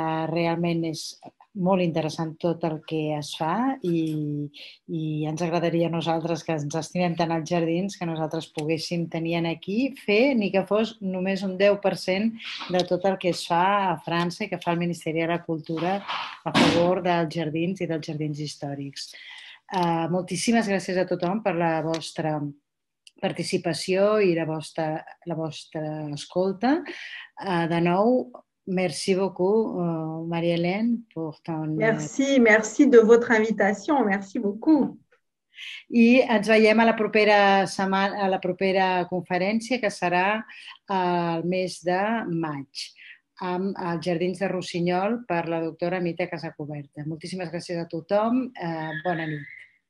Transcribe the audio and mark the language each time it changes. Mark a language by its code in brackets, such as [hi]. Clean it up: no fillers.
[ca] Realment és molt interessant tot el que es fa i ens agradaria a nosaltres que ens estimem tant els jardins que nosaltres poguéssim tenir aquí, fer ni que fos només un 10% de tot el que es fa a França i que fa el Ministeri de la Cultura a favor dels jardins i dels jardins històrics. Moltíssimes gràcies a tothom per la vostra participació i la vostra escolta. De nou, [fr] merci beaucoup, Marie-Hélène, pour ton. Merci, merci de votre invitation. Merci beaucoup. [ca] I ens veiem a la propera setmana, a la propera conferència, que serà el mes de maig. amb els Jardins de Rossinyol per la doctora Mita Casacuberta. Moltíssimes gràcies a tothom. Bona nit.